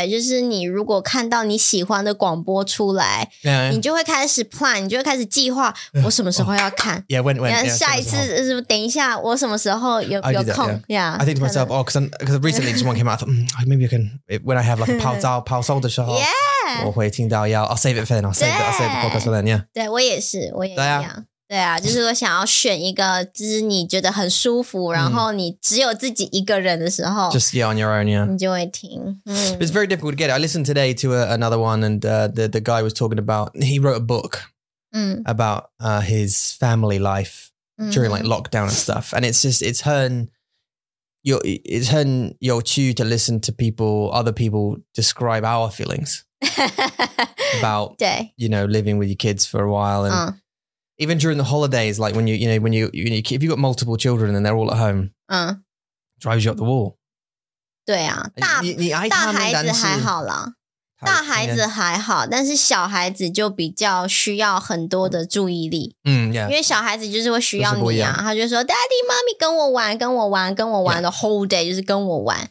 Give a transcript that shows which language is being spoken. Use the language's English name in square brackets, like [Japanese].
[Chinese] 就是你如果看到你喜欢的广播出来、 [English] yeah. [Chinese] 你就会开始 plan, 你就会开始计划我什么时候要看、 [English] oh. Yeah, when, [Chinese] 然后下一次、 [English] yeah, [Chinese] 等一下我什么时候 有空 [English] yeah. Yeah, I think to myself, oh, because recently just one came out, I thought, maybe I can, when I have like a [Chinese] 泡澡泡澡的时候 [English] yeah, [Chinese] 我会听到要 [English] I'll save it for then, I'll save the podcast for then, yeah. [Chinese] 对我也是我也一样对啊，就是我想要选一个，就是你觉得很舒服，然后你只有自己一个人的时候 [English] ，just yeah on your own, yeah， [Chinese] 你就会听。 [English] It's very difficult to get it. I listened today to another one, and the guy was talking about he wrote a book, about his family life during like lockdown and stuff. And it's just it's [Chinese] 很有趣 [English] to listen to people, other people describe our feelings about you know living with your kids for a while and. Even during the holidays, like when you know, if you've got multiple children and they're all at home, drives you up the wall. [Chinese] 对啊，大孩子还好啦，大孩子还好，但是小孩子就比较需要很多的注意力。 [English] Yeah. [Chinese] 因为小孩子就是会需要你啊，他就说 ，Daddy, Mommy, 跟我玩 [English] the whole day [Chinese] 就是跟我玩。